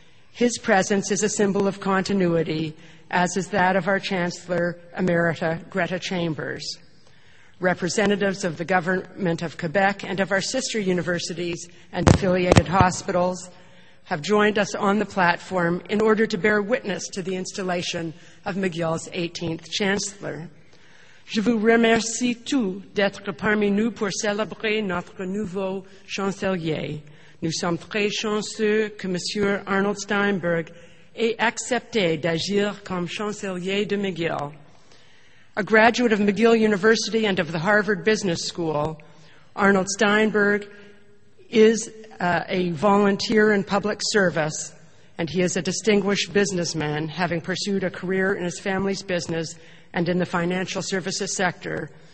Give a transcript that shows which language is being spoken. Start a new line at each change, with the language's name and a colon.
English: His presence is a symbol of continuity, as is that of our Chancellor Emerita Greta Chambers. Representatives of the Government of Quebec and of our sister universities and affiliated hospitals have joined us on the platform in order to bear witness to the installation of McGill's 18th Chancellor.
French: Je vous remercie tous d'être parmi nous pour célébrer notre nouveau chancelier. Nous sommes très chanceux que Monsieur Arnold Steinberg ait accepté d'agir comme chancelier de McGill.
English: A graduate of McGill University and of the Harvard Business School, Arnold Steinberg is a volunteer in public service, and he is a distinguished businessman, having pursued a career in his family's business and in the financial services sector.